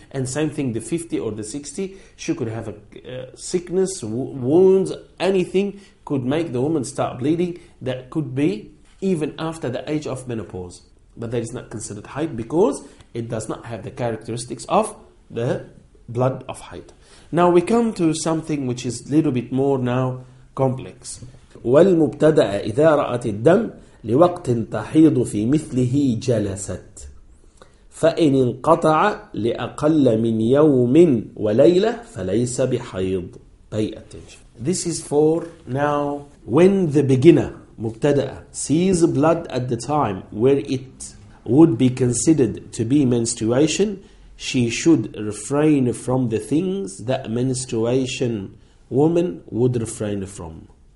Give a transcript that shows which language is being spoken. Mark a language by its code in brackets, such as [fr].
[en] And same thing, the 50 or the 60, she could have a sickness, wounds, anything could make the woman start bleeding. That could be even after the age of menopause. But that is not considered height because it does not have the characteristics of the blood of height. Now we come to something which is a little bit more now complex. [ar] والمبتدأ إذا رأت الدم لوقت تحيض في مثله جلست فإن انقطع لأقل من يوم وليلة فليس بحيض. [en] Pay attention. This is for now when the beginner, مبتدأ, sees blood at the time where it would be considered to be menstruation, she should refrain from the things that menstruation woman would refrain from.